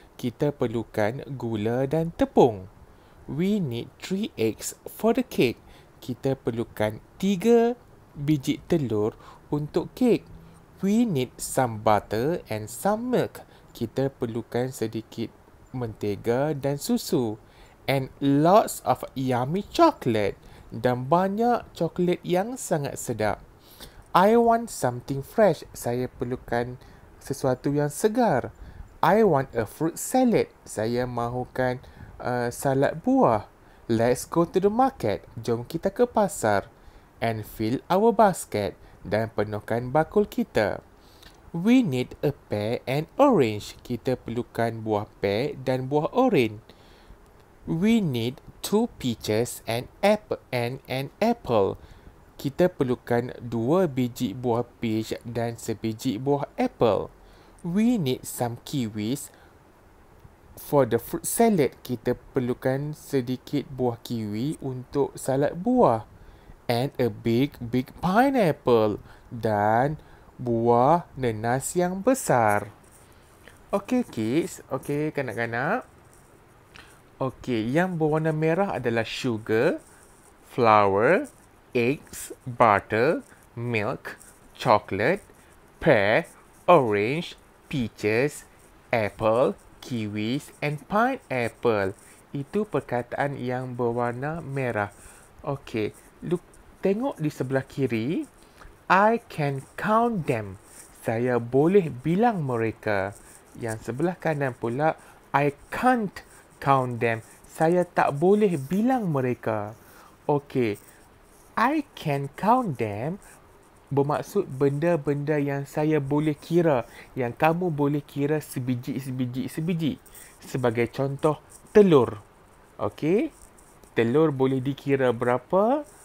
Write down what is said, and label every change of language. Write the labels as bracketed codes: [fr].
[ms] Kita perlukan gula dan tepung. [en] We need 3 eggs for the cake. [ms] Kita perlukan 3 biji telur untuk kek. [en] We need some butter and some milk. [ms] Kita perlukan sedikit mentega dan susu. [en] And lots of yummy chocolate. [ms] Dan banyak coklat yang sangat sedap. [en] I want something fresh. [ms] Saya perlukan sesuatu yang segar. [en] I want a fruit salad. [ms] Saya mahukan salad buah. [en] Let's go to the market. [ms] Jom kita ke pasar. [en] And fill our basket. [ms] Dan penuhkan bakul kita. [en] We need a pear and orange. [ms] Kita perlukan buah pear dan buah oranye. [en] We need 2 peaches and an apple. [ms] Kita perlukan 2 biji buah peach dan 1 biji buah apple. [en] We need some kiwis For the fruit salad, [ms] kita perlukan sedikit buah kiwi untuk salad buah. [en] And a big, big pineapple. [ms] Dan buah nenas yang besar. [en] Okay, kids. [ms] Okay, kanak-kanak. Okay, yang berwarna merah adalah [en] sugar, flour, eggs, butter, milk, chocolate, pear, orange, peaches, apple, kiwis and pineapple. [ms] Itu perkataan yang berwarna merah. Okay, look, tengok di sebelah kiri. [en] I can count them. [ms] Saya boleh bilang mereka. Yang sebelah kanan pula, [en] I can't count them. [ms] Saya tak boleh bilang mereka. Okay. [en] I can count them [ms] bermaksud benda-benda yang saya boleh kira, yang kamu boleh kira sebiji-sebiji-sebiji. Sebagai contoh, telur. Okay. Telur boleh dikira berapa?